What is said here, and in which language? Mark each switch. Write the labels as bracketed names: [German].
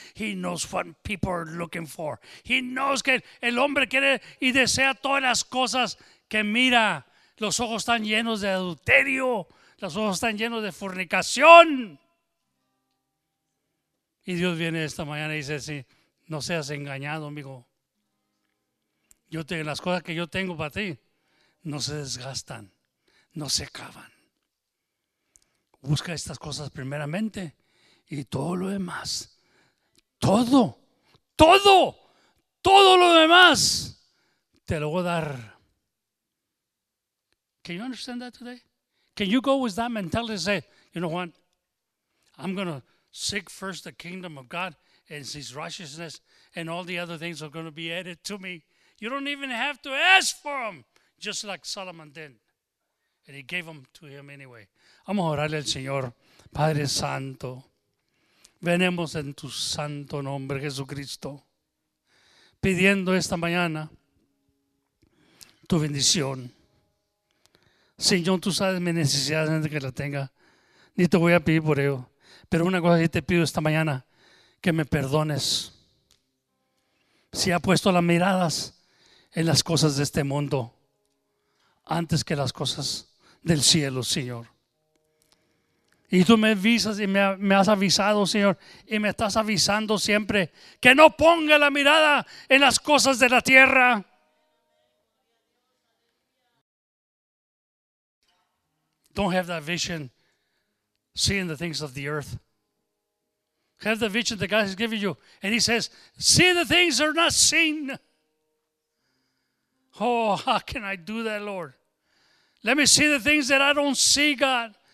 [English] He knows what people are looking for. He knows [Spanish] que el hombre quiere y desea todas las cosas que mira. Los ojos están llenos de adulterio. Los ojos están llenos de fornicación. Y Dios viene esta mañana y dice, sí, no seas engañado, amigo. Las cosas que yo tengo para ti no se desgastan, no se acaban. Busca estas cosas primeramente y todo lo demás, todo, todo, todo lo demás te lo voy a dar. [English] Can you understand that today? Can you go with that mentality and say, you know what? I'm going to Seek first the kingdom of God and his righteousness, and all the other things are going to be added to me. You don't even have to ask for them, just like Solomon did. And he gave them to him anyway. [Spanish] Vamos a orarle al Señor. Padre Santo, venimos en tu santo nombre, Jesucristo, pidiendo esta mañana tu bendición. Señor, tú sabes mi necesidad antes de que la tenga. Ni te voy a pedir por ello. Pero una cosa que te pido esta mañana, que me perdones si he puesto las miradas en las cosas de este mundo antes que las cosas del cielo, Señor. Y tú me avisas y me has avisado, Señor, y me estás avisando siempre que no ponga la mirada en las cosas de la tierra. [English] Don't have that vision, seeing the things of the earth. Have the vision that God has given you. And he says, see the things that are not seen. Oh, how can I do that, Lord? Let me see the things that I don't see, God.